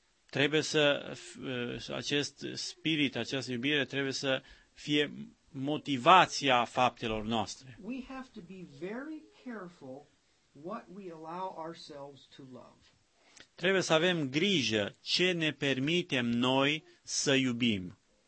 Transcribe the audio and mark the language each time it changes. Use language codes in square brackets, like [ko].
[ro] Trebuie să acest spirit, această iubire trebuie să fie motivația faptelor noastre. [en] We have to be very careful what we allow ourselves to love. [ro] Trebuie să avem grijă ce ne permitem noi să iubim.